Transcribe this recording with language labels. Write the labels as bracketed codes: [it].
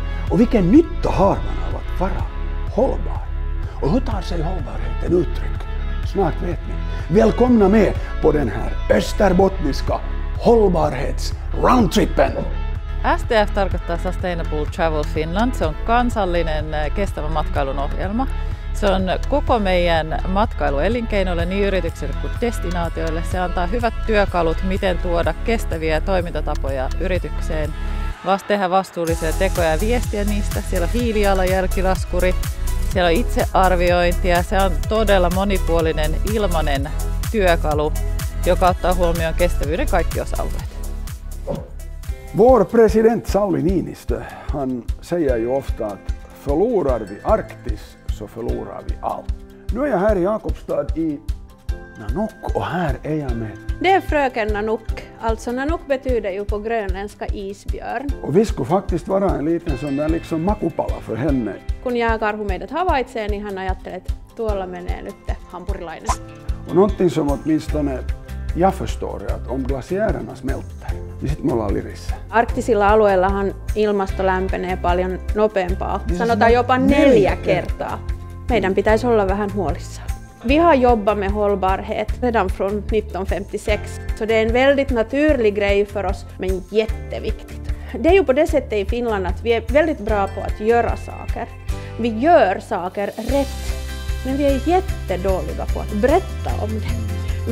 [sv] Och vilken nytta har man av att vara hållbar? Och hur tar sig hållbarheten uttryck? Snart vet ni. Välkomna med på den här österbottniska hållbarhets-roundtrippen! [fi] STF tarkoittaa Sustainable Travel Finland. Se on kansallinen kestävä matkailun ohjelma. Se on koko meidän matkailuelinkeinoille, niin yrityksille kuin destinaatioille. Se antaa hyvät työkalut, miten tuoda kestäviä toimintatapoja yritykseen. Tehdä vastuullisia tekoja ja viestiä niistä. Siellä on hiilijalanjälkilaskuri, siellä on itsearviointia. Se on todella monipuolinen, ilmainen työkalu, joka ottaa huomioon kestävyyden kaikki osa-alueet. [sv] Vår president Sauli Niinistö, han säger ju ofta att förlorar vi Arktis så förlorar vi allt. Nu är jag här i Jakobstad i Nanook och här är jag med. Det är fröken Nanook. Alltså Nanook betyder ju på grönländska isbjörn. Och vi skulle faktiskt vara en liten sån där liksom makupala för henne. [fi] Kun jääkarhu meidät havaitsee, niin hän ajattelee, että tuolla menee nyt hampurilainen. [sv] Och någonting som åtminstone jag förstår är att om glaciärerna smälter, [fi] niin sitten me ollaan lirissä. Arktisilla alueillahan ilmasto lämpenee paljon nopeampaa. Niin sanotaan jopa neljä kertaa. Meidän pitäisi olla vähän huolissaan. [sv] Vi har jobbat med hållbarhet redan från 1956. Så det är en väldigt naturlig grej för oss, men jätteviktigt. Det är ju på det sättet i Finland att vi är väldigt bra på att göra saker. Vi gör saker rätt, men vi är jättedåliga på att berätta om det.